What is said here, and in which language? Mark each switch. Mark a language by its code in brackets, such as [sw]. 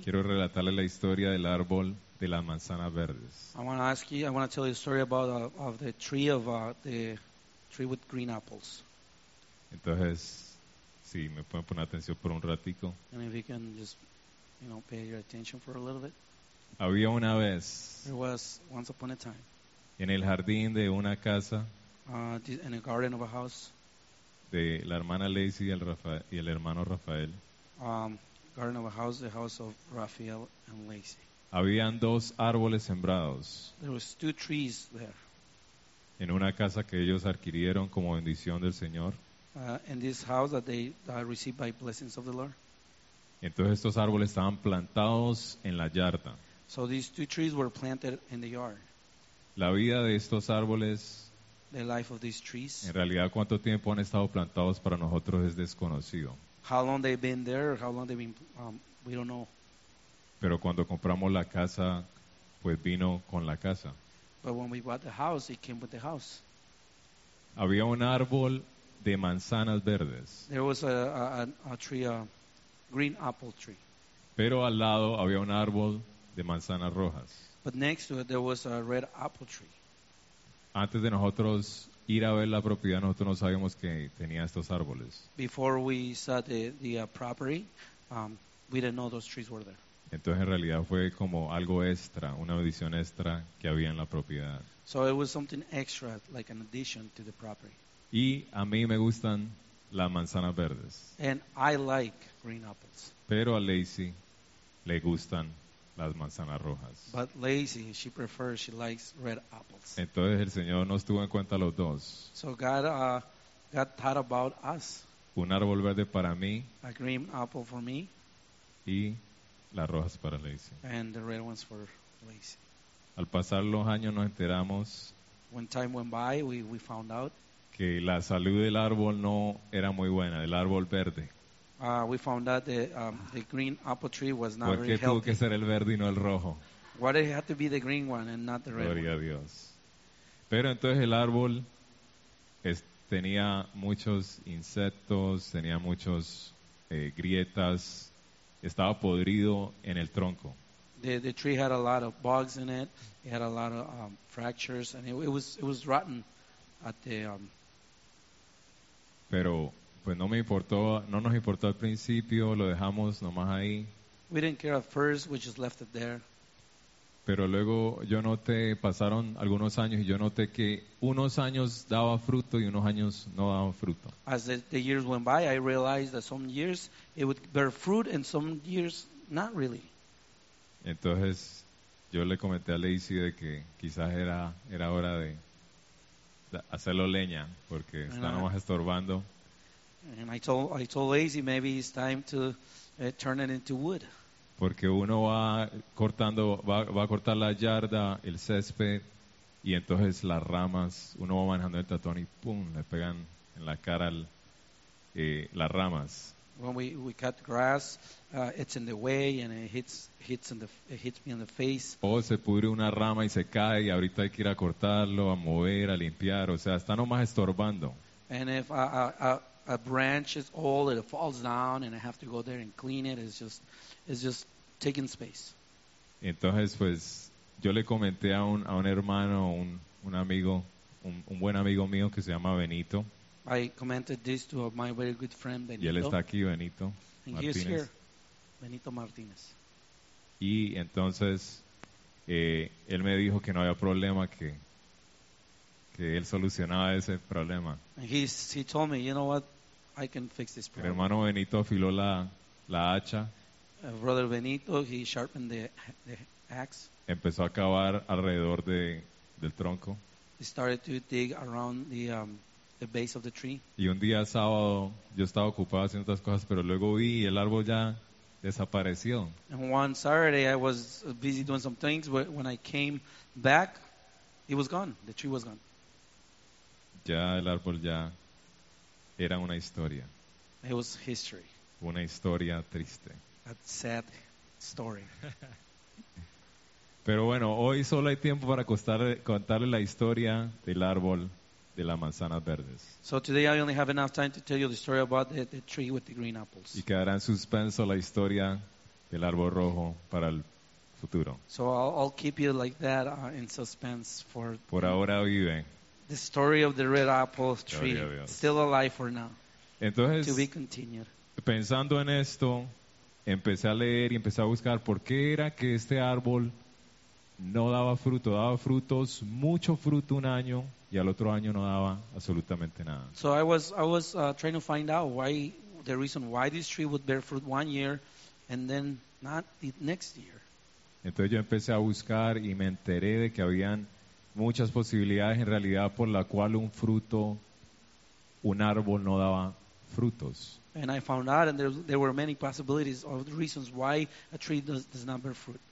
[es] Quiero relatarle la historia del árbol de las manzanas verdes. [en] I want to tell you a story about the tree with green apples. [es] Entonces, si me pueden poner atención por un ratico. [en] And if you can just, you know, pay your attention for a little bit. [es] Había una vez. [en] There was once upon a time. [es] En el jardín de una casa. [en] In a garden of a house. [es] De la hermana Lacey y el hermano Rafael. [en] Garden of a house, the house of Rafael and Lacey. [es] Habían dos árboles sembrados. [en] There was two trees there. [es] En una casa que ellos adquirieron como bendición del Señor. [en] In this house that they received by blessings of the Lord. [es] Entonces estos árboles estaban plantados en la yarda. [en] So these two trees were planted in the yard. [es] La vida de estos árboles. [en] The life of these trees. [es] En realidad, ¿cuánto tiempo han estado plantados para nosotros es desconocido? [en] How long they've been there, how long they've been, we don't know. [es] Pero cuando compramos la casa, pues vino con la casa. [en] But when we bought the house, it came with the house. [es] Había un árbol de manzanas verdes. [en] There was a tree, a green apple tree. [es] Pero al lado había un árbol de manzanas rojas. [en] But next to it there was a red apple tree. [es] Antes de nosotros ir a ver la propiedad, nosotros no sabíamos que tenía estos árboles. [en] Before we saw the property, we didn't know those trees were there. [es] Entonces en realidad fue como algo extra, una bendición extra que había en la propiedad. [en] So it was something extra, like an addition to the property. [es] Y a mí me gustan las manzanas verdes. [en] And I like green apples. [es] Pero a Lacey le gustan las manzanas rojas. [en] But Lacey, she prefers, she likes red apples. [es] Entonces el Señor nos tuvo en cuenta los dos. [en] So God thought about us. [es] Un árbol verde para mí. [en] A green apple for me. [es] Y las rojas para Lacey. [en] And the red ones for Lacey. [es] Al pasar los años nos enteramos. [en] When time went by, we found out. [es] Que la salud del árbol no era muy buena, del árbol verde. [en] We found out that the green apple tree was not very healthy. [es] ¿Por qué tuvo que ser el verde y no el rojo? [en] Why did it have to be the green one and not the red one? [es] Gloria a Dios. Pero entonces el árbol tenía muchos insectos, tenía muchos grietas, estaba podrido en el tronco. [en] The tree had a lot of bugs in it. It had a lot of fractures, and it was rotten at the. [es] Pero pues no me importó, no nos importó al principio, lo dejamos nomás ahí. [en] We didn't care at first, we just left it there. [es] Pero luego yo noté, pasaron algunos años y yo noté que unos años daba fruto y unos años no daba fruto. [en] As the years went by, I realized that some years it would bear fruit and some years not really. [es] Entonces yo le comenté a Lacey de que quizás era hora de hacerlo leña porque está nomás estorbando. [en] And I told Lacey maybe it's time to turn it into wood. [es] Porque uno va a cortar la yarda, el césped, y entonces las ramas, uno va manejando el tatón y pum, le pegan en la cara las ramas. [en] When we cut grass, it's in the way and it hits me in the face. [es] O se pudre una rama y se cae y ahorita hay que ir a cortarlo, a mover, a limpiar, o sea, está nomás estorbando. [en] And if a branch is old and it falls down and I have to go there and clean it, it's just taking space. [es] Entonces pues yo le comenté a un hermano, un amigo, un buen amigo mío que se llama Benito. [en] I commented this to my very good friend Benito. [es] Y él está aquí, Benito. [en] And he is here, Benito Martínez. [es] Y entonces él me dijo que no había problema, que él solucionaba ese problema. [en] And he told me, you know what, I can fix this problem. [es] El hermano Benito afiló la hacha. [en] Brother Benito, he sharpened the axe. [es] Empezó a cavar alrededor del tronco. [en] He started to dig around the base of the tree. [es] Y un día sábado, yo estaba ocupado haciendo otras cosas, pero luego vi el árbol ya desapareció. [en] And one Saturday, I was busy doing some things, but when I came back, it was gone. The tree was gone. [es] Ya el árbol ya era una historia. [en] It was history. [es] Una historia triste. [en] A sad story. [es] Pero bueno, hoy solo hay tiempo para contarle la historia del árbol de las manzanas verdes. [en] So today I only have enough time to tell you the story about the tree with the green apples. [es] Y quedará en suspenso la historia del árbol rojo para el futuro. [en] So I'll keep you like that in suspense for. [es] Por ahora vive. [en] The story of the red apple tree, still alive for now. [es] Entonces, [en] to be continued. [es] Pensando en esto, empecé a leer y empecé a buscar por qué era que este árbol no daba fruto, daba frutos, mucho fruto un año y al otro año no daba absolutamente nada. [en] So I was trying to find out why the reason why this tree would bear fruit one year and then not the next year. [es] Entonces yo empecé a buscar y me enteré de que habían muchas posibilidades en realidad por la cual un árbol no daba frutos. [en] And I found out and there were many possibilities of the reasons why a tree does not bear fruit.